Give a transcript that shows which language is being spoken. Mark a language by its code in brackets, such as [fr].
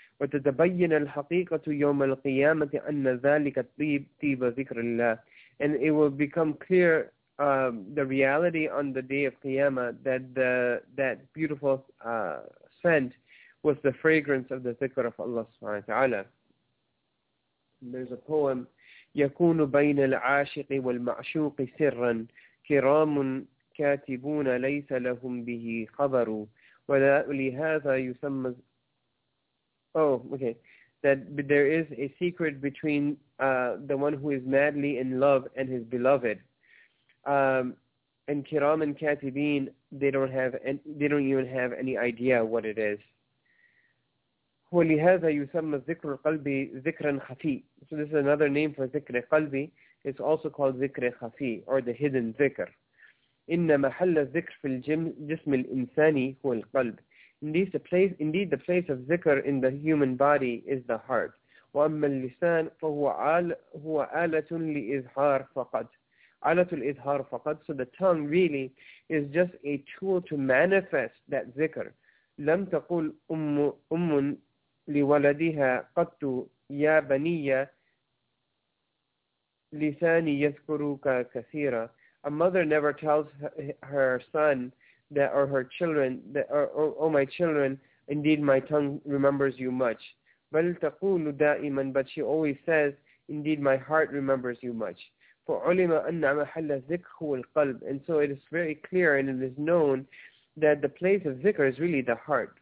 [ar] وَتَتَبَيَّنَ الْحَقِيقَةُ يَوْمَ الْقِيَامَةِ أَنَّ ذَلِكَ طِيبَ ذِكْرِ اللَّهِ. [en] And it will become clear, the reality on the day of Qiyamah, that that beautiful scent was the fragrance of the dhikr of Allah subhanahu wa ta'ala. There's a poem, [ar] يَكُونُ بَيْنَ الْعَاشِقِ وَالْمَعْشُوقِ سِرًّا كِرَامٌ كَاتِبُونَ لَيْسَ لَهُمْ بِهِ خَبَرُ وَلَا لِهَذَا يُسَمَّ. [en] Oh, okay. That there is a secret between the one who is madly in love and his beloved. And كِرَامٌ كَاتِبِينَ, they don't even have any idea what it is. [ar] ولهذا يسمى ذكر القلب ذكرا خفي. [en] So this is another name for ذكر قلبي. It's also called ذكر خفي or the hidden ذكر. [ar] إن محل الذكر في الجسم الإنساني هو القلب. [en] Indeed, the place of ذكر in the human body is the heart. [ar] وأما اللسان فهو هو آلة لإظهار فقط. آلة الإظهار فقط. [en] So the tongue really is just a tool to manifest that ذكر. [ar] لم تقول أم لولدها قط يا بنية لساني يذكرك كثيرا. [en] A mother never tells her son that, or her children that, oh my children, indeed my tongue remembers you much. [ar] بل تقول دائما, [en] but she always says, indeed my heart remembers you much. [ar] فعلم أن محل الذكر هو القلب. [en] And so it is very clear and it is known that the place of zikr is really the heart.